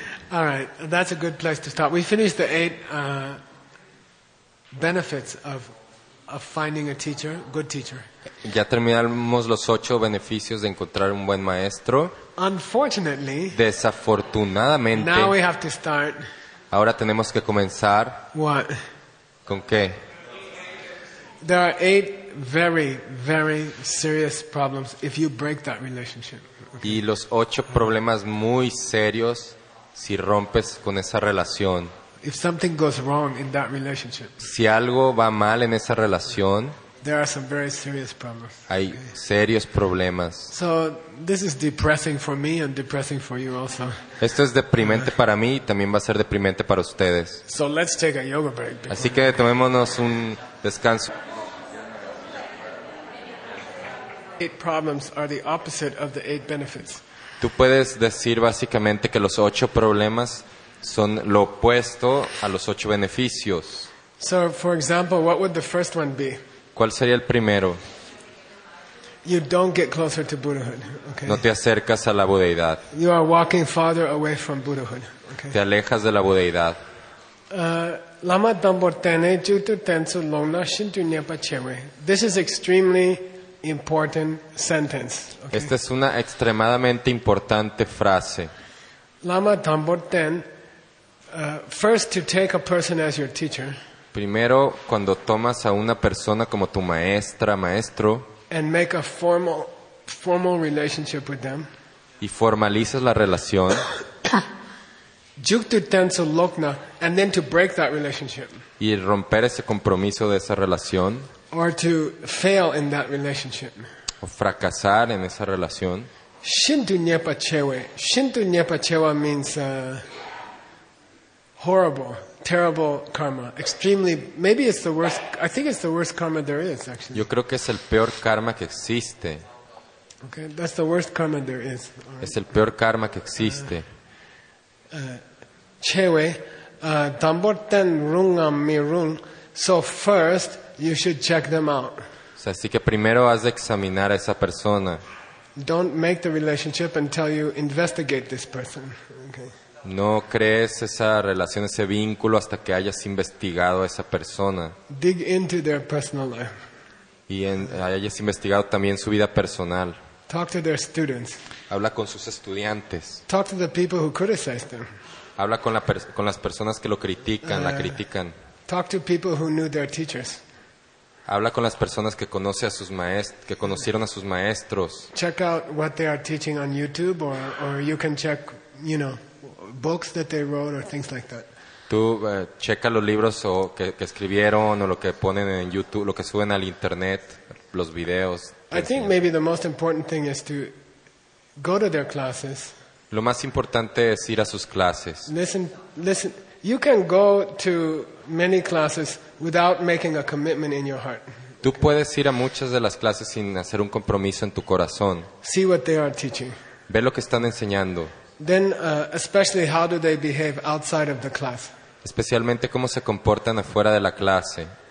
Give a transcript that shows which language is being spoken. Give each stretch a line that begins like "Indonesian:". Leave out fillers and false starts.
English: All right, that's a good place to start. We finished the 8 benefits of finding a teacher, good teacher.
Spanish: Ya terminamos los 8 beneficios de encontrar un buen maestro.
English: Unfortunately,
Spanish: desafortunadamente,
English: now we have to start.
Spanish: Ahora tenemos que comenzar.
English: What?
Spanish: ¿Con qué?
English: There are 8 very, very serious problems if you break that relationship. Okay.
Spanish: Y los 8 problemas muy serios si rompes con esa relación.
English: If something goes wrong in that relationship.
Spanish: Si algo va mal en esa relación.
English: There are some very serious problems.
Spanish: Hay serios problemas.
English: So this is depressing for me and depressing for you also.
Spanish: Esto es deprimente para mí y también va a ser deprimente para ustedes.
English: So let's take a yoga break.
Spanish: Así que tomémonos un descanso.
English: 8 problems are the opposite of the 8 benefits.
Spanish: Tú puedes decir básicamente que los 8 problemas son lo opuesto a los 8 beneficios.
English: So for example, what would the first one be?
Spanish: ¿Cuál sería el primero?
English: You don't get closer to Buddhahood. Okay.
Spanish: No te acercas a la budeidad.
English: You are walking farther away from Buddhahood. Okay.
Spanish: Te alejas de la budeidad.
Tibetan: Lama Dambor Tene Jutu Tensu Longna Shintu Nyepa Chewe.
English: This is extremely important sentence. Okay.
Spanish: Esta es una extremadamente importante frase.
Tibetan: Lama Dambor Ten,
English: first to take a person as your teacher.
Spanish: Primero, cuando tomas a una persona como tu maestra, maestro,
English: and make a formal relationship with them,
Spanish: y formalizas la relación,
Tibetan: juktu tensu lokna,
English: and then to break that relationship,
Spanish: y romper ese compromiso de esa relación,
English: or to fail in that relationship,
Spanish: o fracasar en esa relación,
Tibetan: shintu nyepa chewa
English: means horrible. terrible karma, extremely, maybe it's the worst, I think it's the worst karma there is, actually.
Spanish: Yo creo que es el peor karma que existe.
English: Okay, that's the worst karma there is. Right.
Spanish: Es el peor karma que existe.
Tibetan: Chewe, Damborten Rungam Mirung,
English: so first you should check them out.
Spanish: O sea, así que primero has de examinar a esa persona.
English: Don't make the relationship until you investigate this person. Okay.
Spanish: No crees esa relación, ese vínculo hasta que hayas investigado a esa persona.
English: Dig into their personal life.
Spanish: Y hayas investigado también su vida personal.
English: Talk to their students.
Spanish: Habla con sus estudiantes.
English: Talk to the people who criticize them.
Spanish: Habla con las personas que lo critican, la critican.
English: Talk to people who knew their teachers.
Spanish: Habla con las personas que conoce a sus maestros, que conocieron a sus maestros.
English: Check out what they are teaching on YouTube, or you can check, you know, books that they wrote or things like that.
Spanish: Tú checa los libros o que escribieron o lo que ponen en YouTube, lo que suben al internet, los videos.
English: I think maybe the most important thing is to go to their classes.
Spanish: Lo más importante es ir a sus clases.
English: Listen. You can go to many classes without making a commitment in your heart.
Spanish: Tú puedes ir a muchas de las clases sin hacer un compromiso en tu corazón.
English: See what they are teaching.
Spanish: Ve lo que están enseñando.
English: Then, especially, how do they behave outside of the class?
Spanish: Especialmente cómo se comportan afuera de la clase.